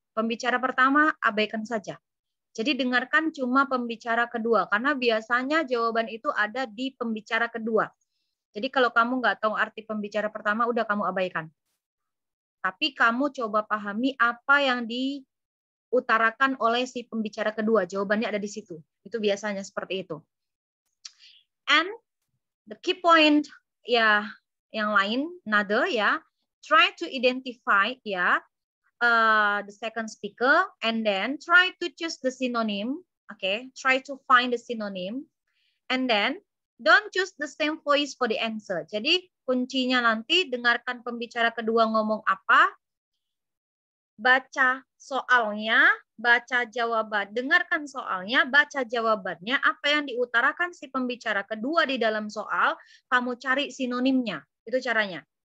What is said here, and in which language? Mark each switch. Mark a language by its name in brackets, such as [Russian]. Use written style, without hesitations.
[Indonesian] Pembicara pertama abaikan saja. Jadi dengarkan cuma pembicara kedua, karena biasanya jawaban itu ada di pembicara kedua. Jadi kalau kamu nggak tahu arti pembicara pertama, udah kamu abaikan. Tapi kamu coba pahami apa yang diutarakan oleh si pembicara kedua. Jawabannya ada di situ. Itu biasanya seperti itu. [English] And the key point ya, [Indonesian] yang lain, [English] another ya, try to identify ya, the second speaker, and then try to choose the synonym, okay? Try to find the synonym, and then don't choose the same voice for the answer. [Indonesian] Jadi kuncinya nanti dengarkan pembicara kedua ngomong apa, baca soalnya, baca jawaban, dengarkan soalnya, baca jawabannya, apa yang diutarakan si pembicara kedua di dalam soal, kamu cari sinonimnya, itu caranya.